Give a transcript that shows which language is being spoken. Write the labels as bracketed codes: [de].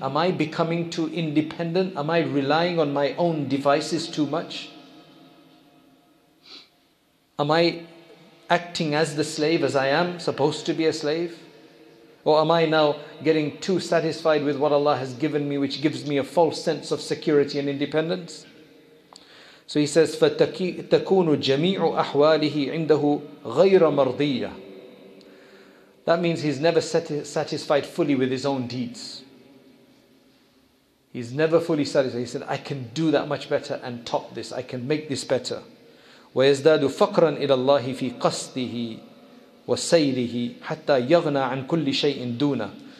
[en] Am I becoming too independent? Am I relying on my own devices too much? Am I acting as the slave, as I am supposed to be a slave? Or am I now getting too satisfied with what Allah has given me, which gives me a false sense of security and independence? So he says, [ar] فَتَكُونُ جَمِيعُ أَحْوَالِهِ عِنْدَهُ غَيْرَ مَرْضِيَّةِ. [en] That means he's never satisfied fully with his own deeds. He's never fully satisfied. He said, I can do that much better and top this. I can make this better. [ar] وَيَزْدَادُ فَقْرًا إِلَى اللَّهِ فِي قَصْدِهِ وَسَيْرِهِ حَتَّى يَغْنَى عَنْ كُلِّ شَيْءٍ دُونَ.